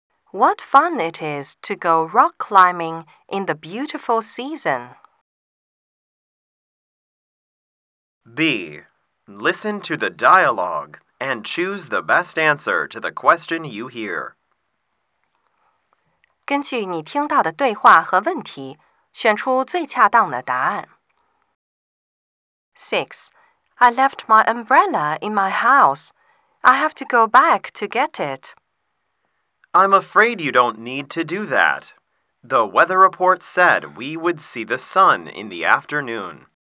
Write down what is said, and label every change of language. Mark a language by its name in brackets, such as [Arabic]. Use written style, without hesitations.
[English] What fun it is to go rock climbing in the beautiful season. B. Listen to the dialogue and choose the best answer to the question you hear. [Chinese] 根据你听到的对话和问题，选出最恰当的答案。 [English] 6. I left my umbrella in my house. I have to go back to get it. I'm afraid you don't need to do that. The weather report said we would see the sun in the afternoon.